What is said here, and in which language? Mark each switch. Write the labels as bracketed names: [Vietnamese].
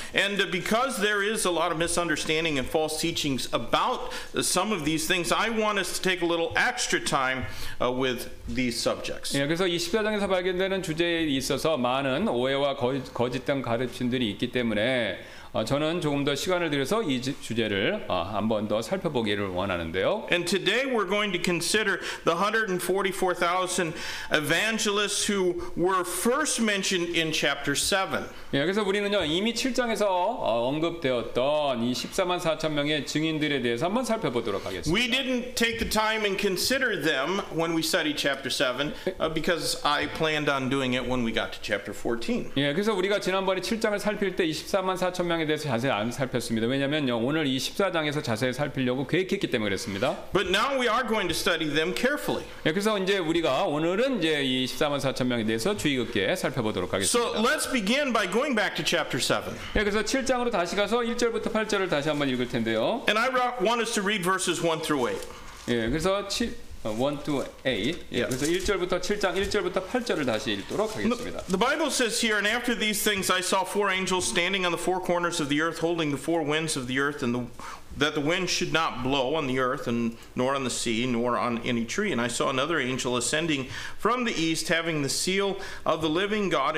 [English] And because there is a lot of misunderstanding and false teachings about some of these things, I want us to take a little extra time with these subjects. [Korean] 예, 그래서 이 14장에서 발견되는 주제에 있어서 많은 오해와 거짓된 가르침들이 있기 때문에 저는 조금 더 시간을 들여서 이 주제를 한번 더 살펴보기를 원하는데요. [English] And today we're going to consider the 144,000 evangelists who were first mentioned in chapter 7. [Korean] 예, 그래서 우리는요, 이미 7장에서 언급되었던 이 14만 4천 명의 증인들에 대해서 한번 살펴보도록 하겠습니다. [English] We didn't take the time and consider them when we studied chapter 7 because I planned on doing it when we got to chapter 14. [Korean] 예, 그래서 우리가 지난번에 7장을 살필 때 이 14만 4천 명에 대해서 자세히 안 살폈습니다. 왜냐면요, 오늘 이 14장에서 자세히 살피려고 계획했기 때문에 그랬습니다. [English] But now we are going to study them carefully. [Korean] 예, 그래서 이제 우리가 오늘은 이제 이 14만 4천 명에 대해서 주의깊게 살펴보도록 하겠습니다. [English] So let's begin by going back to chapter 7. [Korean] 예, 그래서 7장으로 다시 가서 1절부터 8절을 다시 한번 읽을 텐데요. [English] And I want us to read verses 1 through 8. [Korean] 예, 그래서 [English] 1 to 8. [Korean] 예, 그래서 1절부터 7장 1절부터 8절을 다시 읽도록 하겠습니다. [English] The Bible says here, and after these things I saw four angels standing on the four corners of the earth, holding the four winds of the earth, and that the wind should not blow on the earth, and nor on the sea, nor on any tree. And I saw another angel ascending from the east, having the seal of the living God.